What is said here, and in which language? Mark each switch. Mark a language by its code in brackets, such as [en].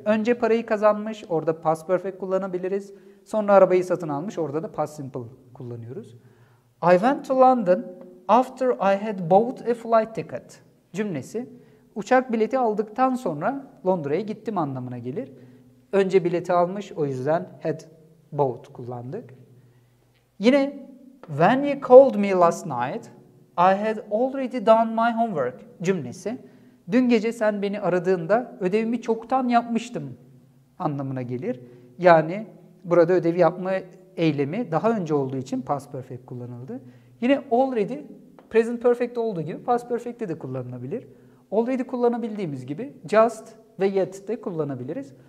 [tr] Önce parayı kazanmış, orada past perfect kullanabiliriz. Sonra arabayı satın almış, orada da past simple kullanıyoruz. [en] I went to London after I had bought a flight ticket cümlesi. [tr] uçak bileti aldıktan sonra Londra'ya gittim anlamına gelir. Önce bileti almış, o yüzden had bought kullandık. Yine [en] when you called me last night, I had already done my homework cümlesi. [tr] Dün gece sen beni aradığında ödevimi çoktan yapmıştım anlamına gelir. Yani burada ödevi yapma eylemi daha önce olduğu için past perfect kullanıldı. Yine already present perfect olduğu gibi past perfect'te de kullanılabilir. Already kullanabildiğimiz gibi just ve yet de kullanabiliriz.